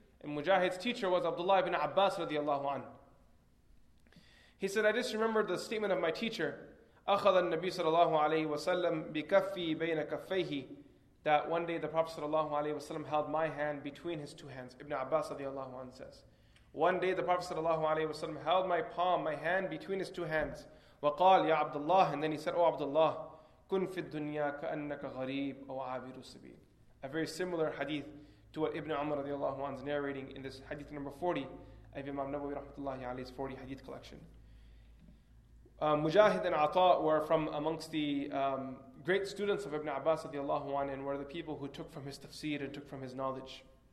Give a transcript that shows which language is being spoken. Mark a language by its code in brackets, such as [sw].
[en] And Mujahid's teacher was Abdullah ibn Abbas radiallahu anhu. He said, I just remembered the statement of my teacher, [ar] أخذ النبي صلى الله عليه وسلم بكفي بين كفيه, [en] that one day the Prophet صلى الله عليه وسلم held my hand between his two hands. Ibn Abbas radiallahu anhu says, one day the Prophet صلى الله عليه وسلم held my palm, my hand between his two hands. [ar] وقال يا عبد الله, [en] and then he said, O Abdullah, [ar] كن في الدنيا كأنك غريب أو عابر السبيل. [en] A very similar hadith to what Ibn Umar radiallahu anhu is narrating in this hadith number 40 of Imam Nawawi rahmatullahi alayhi's 40 hadith collection. Mujahid and Ata were from amongst the great students of Ibn Abbas radiallahu anhu, and were the people who took from his tafsir and took from his knowledge.